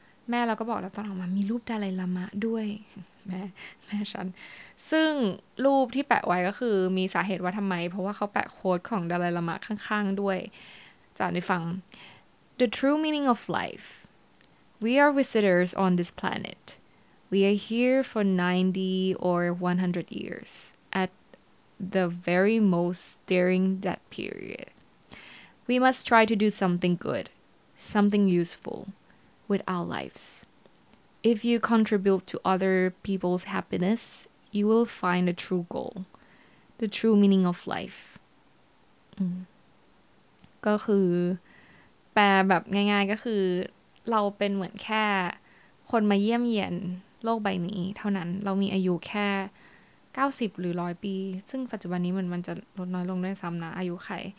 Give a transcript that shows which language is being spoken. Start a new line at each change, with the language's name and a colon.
Thai: แม่เราก็บอกเราตอนออกมามีรูปดาไลลามะด้วยแม่ฉันซึ่งรูปที่แปะไว้ก็คือมีสาเหตุว่าทำไมเพราะว่าเขาแปะโค้ดของดาไลลามะข้างๆด้วยจากในฟัง
English: The true meaning of life We are visitors on this planet We are here for 90 or 100 years atthe very most during that period. We must try to do something good, something useful with our lives. If you contribute to other people's happiness, you will find a true goal, the true meaning of life.
Thai: ก็คือแปลแบบง่ายๆก็คือเราเป็นเหมือนแค่คนมาเยี่ยมเยียนโลกใบนี้เท่านั้นเรามีอายุแค่90หรือ100ปีซึ่งปัจจุบันนี้มันจะลดน้อยลงด้วยซ้ำนะอายุไข